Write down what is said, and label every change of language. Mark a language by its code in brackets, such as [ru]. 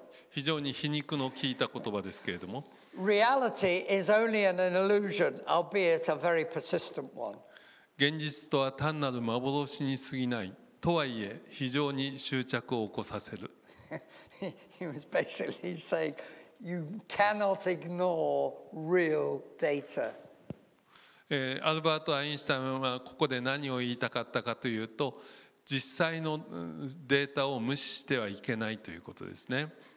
[ja] 非常に皮肉の効いた言葉ですけれども。 [en] Reality is only an illusion, albeit a very persistent one. [ja] 現実とは単なる幻に過ぎない。とはいえ、非常に執着を起こさせる。 [en] He was basically saying, you cannot ignore real data. [ja] アルバート・アインシュタインはここで何を言いたかったかというと、実際のデータを無視してはいけないということですね。